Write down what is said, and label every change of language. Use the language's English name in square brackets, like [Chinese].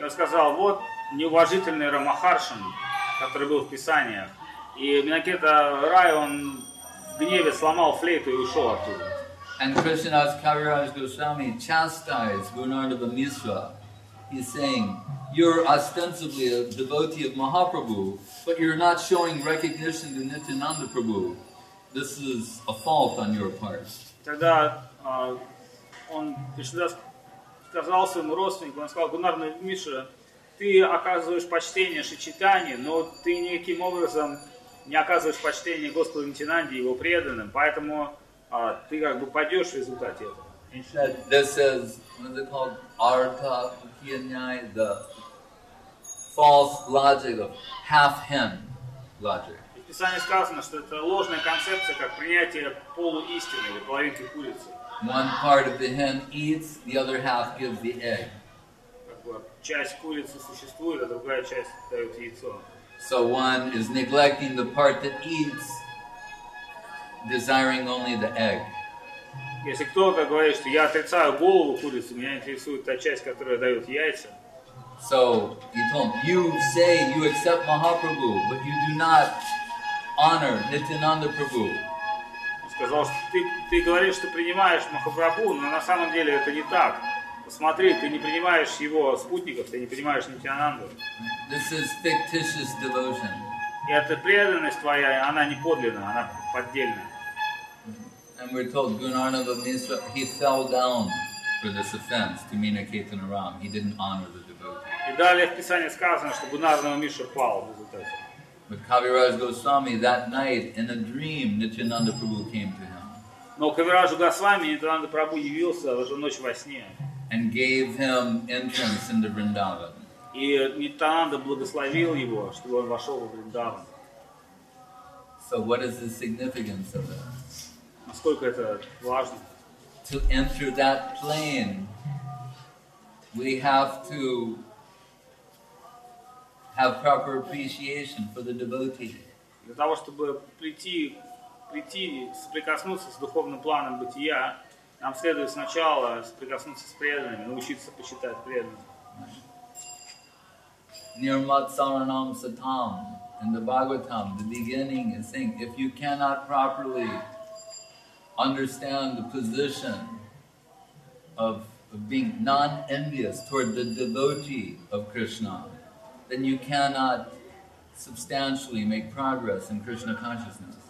[Russian] И он сказал, вот неуважительный Рамахаршан, который был в Писаниях. И Минакета Рай, он в гневе сломал флейту и ушел оттуда. [English] And Krishnadas Kaviraj Goswami chastised Gunarnava Misra. He's saying, you're ostensibly a devotee of Mahaprabhu, but you're not showing recognition to Nityananda Prabhu. This is a fault on your part. [Russian] Тогда он сказал своему родственнику, он сказал, Гунарна Миша, ты оказываешь почтение Шри Чайтанье, но ты никаким образом не оказываешь почтение Господу Нитинанде и его преданным, поэтому ты как бы пойдешь в результате этого. [English] He said, this is, what is it called, artha ukiyanyai, the false logic of half-hen logic. [Russian] В Писании сказано, что это ложная концепция, как принятие полуистины или половинки курицы. [English] One part of the hen eats, the other half gives the egg. [Russian] Часть курицы существует, а другая часть дает яйцо. [English] So one is neglecting the part that eats, desiring only the egg. [Russian] Если кто-то говорит, что я отрицаю голову курицы, меня интересует та часть, которая дает яйца. [English] So, he told him, you say you accept Mahaprabhu, but you do not honor Nityananda Prabhu. [Russian] Он сказал, что ты говоришь, что принимаешь Махапрабху, но на самом деле это не так. Посмотри, ты не принимаешь его спутников, ты не принимаешь Нитянанду. [English] This is fictitious devotion. [Russian] И эта преданность твоя, она не подлинная, она поддельная. [English] And we're told Gunarnava Misra, he fell down for this offense to Minaketana Ram. He didn't honor the devotee. [Russian] И далее в Писании сказано, что Гунарнава Миша пал в результате. [English] But Kaviraj Goswami, that night, in a dream, Nityananda Prabhu came to him. [Russian] Но Кавирадж Госвами, Нитянанда Прабху явился в эту ночь во сне. [English] And gave him entrance into Vrindavan. [Russian] И Нитянанда благословил его, чтобы он вошел в Вриндаван. [English] So what is the significance of that? [Russian] Насколько это важно? [English] To enter that plane, we have to have proper appreciation for the devotee. [Russian] Для того, чтобы прийти и соприкоснуться с духовным планом бытия, нам следует сначала соприкоснуться с преданными, научиться почитать преданных. [English] Nirmat Saranam Satam in the Bhagavatam, the beginning is saying, if you cannot properly understand the position of being non-envious toward the devotee of Krishna, then you cannot substantially make progress in Krishna consciousness.